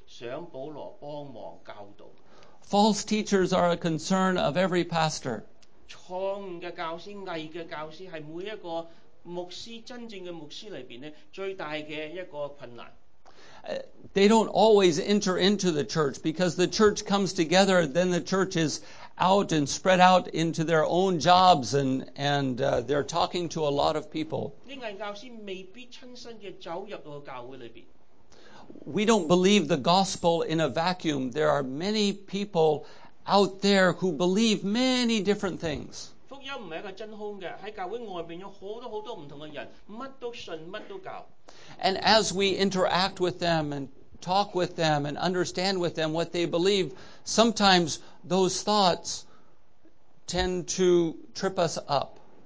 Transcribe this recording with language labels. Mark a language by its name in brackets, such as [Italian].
[Chinese] 保罗当时在监，以巴弗是哥罗西教会的开始和领导，他现在来探保罗，因为哥罗西教会有很多假先知骚扰他们，想保罗帮忙教导。 [English] False teachers are a concern of every pastor. [Chinese] 错误的教师，伪的教师是每一个牧师，真正的牧师里面最大的一个困难。 [English] They don't always enter into the church because the church comes together, then the church is out and spread out into their own jobs and they're talking to a lot of people. We don't believe the gospel in a vacuum. There are many people out there who believe many different things. [Chinese] 福音不是一个真空的，在教会外面有很多很多不同的人，什么都信，什么都教。 [English] And as we interact with them and talk with them and understand with them what they believe, sometimes those thoughts tend to trip us up.